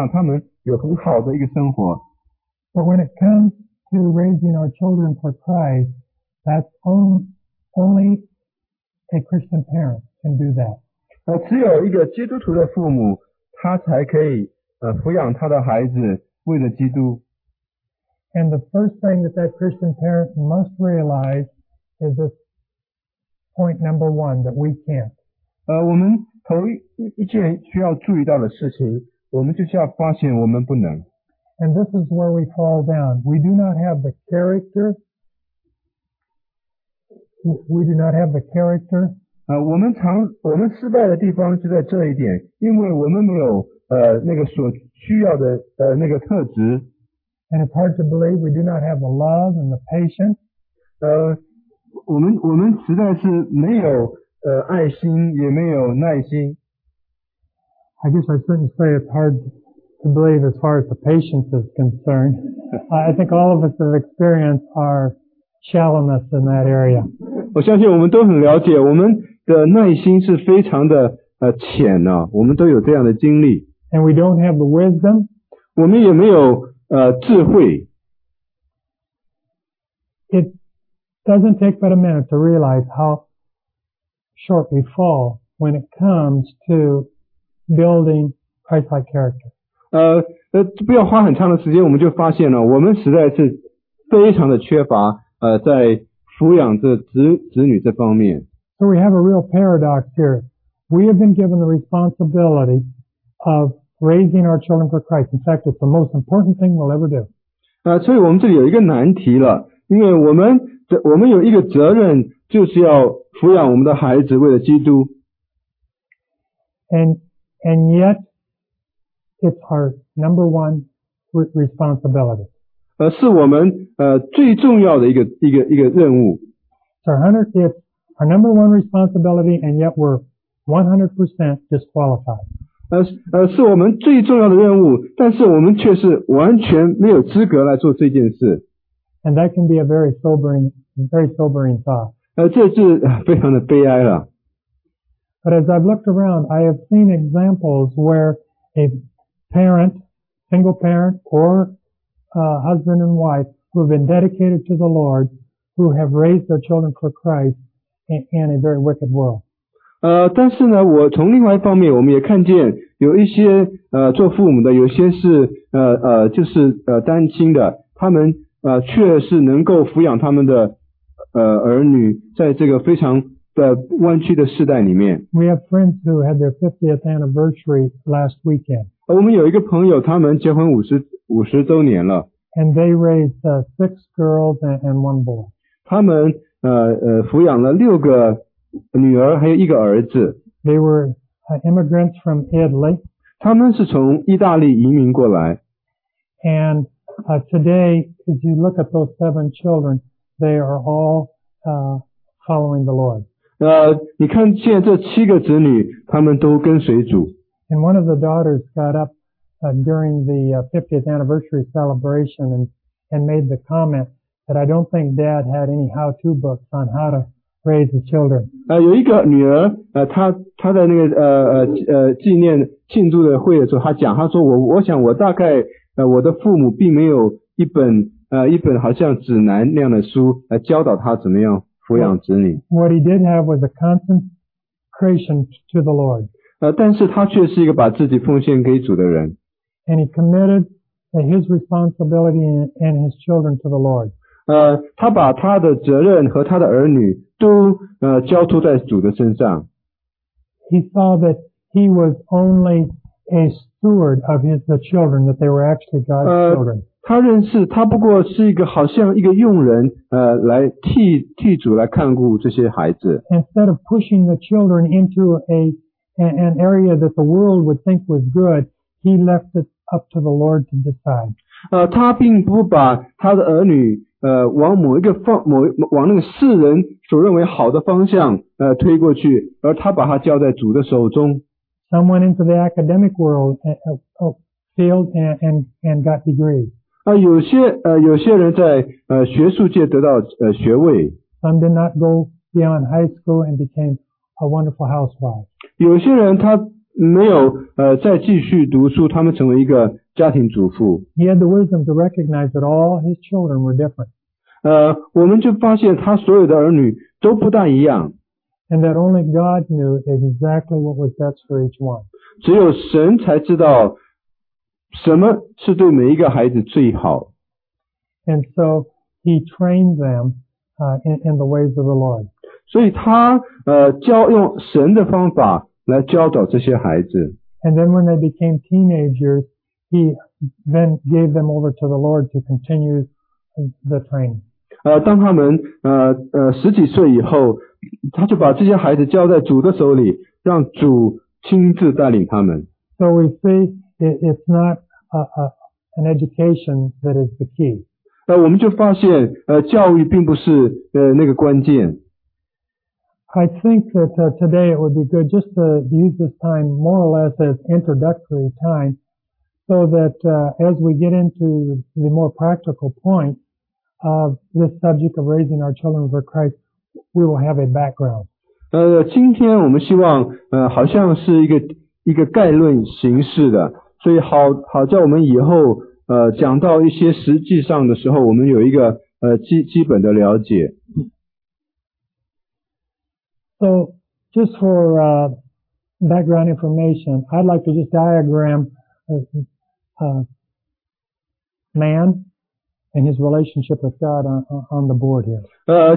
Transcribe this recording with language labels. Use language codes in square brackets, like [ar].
[zh] 这些人，他们都是人眼中的那个榜样，他们有很好的一个生活。 [en] But when it comes to raising our children for Christ, that's only a Christian parent can do that. [zh] 只有一个基督徒的父母，他才可以抚养他的孩子，为了基督。 [en] And the first thing that Christian parent must realize is this point number one that we can't. [zh] 我们头 一件需要注意到的事情，我们就是要发现我们不能。 [en] And this is where we fall down. We do not have the character. We do not have the character. [zh] 我们失败的地方就在这一点，因为我们没有那个所需要的那个特质。 [en] And it's hard to believe we do not have the love and the patience. [zh] 我们实在是没有爱心，也没有耐心。 [en] I guess I shouldn't say it's hard to believe as far as the patience is concerned. I think all of us have experienced our shallowness in that area. [zh] 我相信我们都很了解，我们的耐心是非常的浅啊，我们都有这样的经历。 [en] And we don't have the wisdom. [zh] 我们也没有智慧。 [en] It doesn't take but a minute to realize how short we fall when it comes to building Christ-like character. [zh] 不要花很长的时间，我们就发现了，我们实在是非常的缺乏在抚养这子女这方面。 [en] So we have a real paradox here. We have been given the responsibility of raising our children for Christ. In fact, it's the most important thing we'll ever do. [zh] 所以我们这里有一个难题了，因为我们有一个责任，就是要抚养我们的孩子为了基督。 [en] And yet, it's our number one responsibility. [zh] 是我们最重要的一个任务。 [en] It's our number one responsibility, and yet we're 100% disqualified. [zh] 是我们最重要的任务，但是我们却是完全没有资格来做这件事。 [en] And that can be a very sobering thought. [zh] 这是非常的悲哀了。 [en] But as I've looked around, I have seen examples where a parent, single parent, or a husband and wife who have been dedicated to the Lord, who have raised their children for Christ in a very wicked world. [zh] 但是呢，我从另外一方面，我们也看见有一些做父母的，有些是就是单亲的，他们却是能够抚养他们的儿女，在这个非常的弯曲的世代里面。 [en] We have friends who had their 50th anniversary last weekend. [zh] 我们有一个朋友，他们结婚50周年了。 [en] And they raised six girls and one boy. [zh] 他们抚养了六个女儿还有一个儿子。 [en] They were immigrants from Italy. [zh] 他们是从意大利移民过来。 [en] And today, as you look at those seven children, they are all following the Lord. [zh] 你看见这七个子女，他们都跟随主。 [en] And one of the daughters got up during the 50th anniversary celebration and made the comment that I don't think Dad had any how-to books on how to raise the children. [zh] 有一个女儿，她在那个纪念庆祝的会的时候，她讲，她说我想我大概我的父母并没有一本好像指南那样的书来教导他怎么样抚养子女。 [en] What he did have was a consecration to the Lord. [zh] 但是他却是一个把自己奉献给主的人。 [en] And he committed his responsibility and his children to the Lord. [zh] 他把他的责任和他的儿女都交托在主的身上。 [en] He saw that he was only a steward of the children, that they were actually God's children. [zh] 他认识他不过是一个好像一个佣人来替主来看顾这些孩子。 [en] Instead of pushing the children into an area that the world would think was good, he left it up to the Lord to decide. [zh] 他并不把他的儿女往某一个方某往那个世人所认为好的方向推过去，而他把他交在主的手中。 [en] Some went into the academic field and got degrees. [zh] 有些人在学术界得到学位。 [en] Some did not go beyond high school and became a wonderful housewife. [zh] 有些人他没有再继续读书，他们成为一个家庭主妇。 [en] He had the wisdom to recognize that all his children were different. [zh] 我们就发现他所有的儿女都不大一样。 [en] And that only God knew exactly what was best for each one. [zh] 只有神才知道什么是对每一个孩子最好。 [en] And so he trained them in the ways of the Lord. [zh] 所以他教用神的方法来教导这些孩子。 [en] And then when they became teenagers, he then gave them over to the Lord to continue the training. [zh] 当他们十几岁以后，他就把这些孩子交在主的手里，让主亲自带领他们。 [en] So we see it's not an education that is the key. [zh] 我们就发现教育并不是那个关键。 [en] I think that today it would be good just to use this time more or less as introductory time so that as we get into the more practical point of this subject of raising our children for Christ, we will have a background. [zh] 今天我们希望好像是一个概论形式的，所以好在我们以后讲到一些实际上的时候，我们有一个基本的了解。 [en] So, just for background information, I'd like to just diagram man and his relationship with God on the board here.